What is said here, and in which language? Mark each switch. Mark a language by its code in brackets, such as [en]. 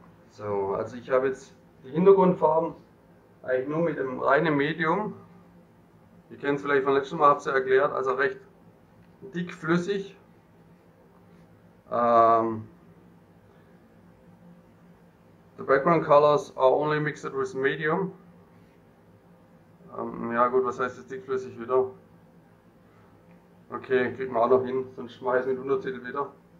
[de] So, also ich habe jetzt die Hintergrundfarben eigentlich nur mit dem reinen Medium. Ihr kennt es vielleicht vom letzten Mal, habe es ja erklärt, also recht dickflüssig. [en] The background colors are only mixed with medium. [de] Ja gut, was heißt jetzt dickflüssig wieder? Okay, kriegen wir auch noch hin, sonst schmeiße ich mit Untertitel wieder.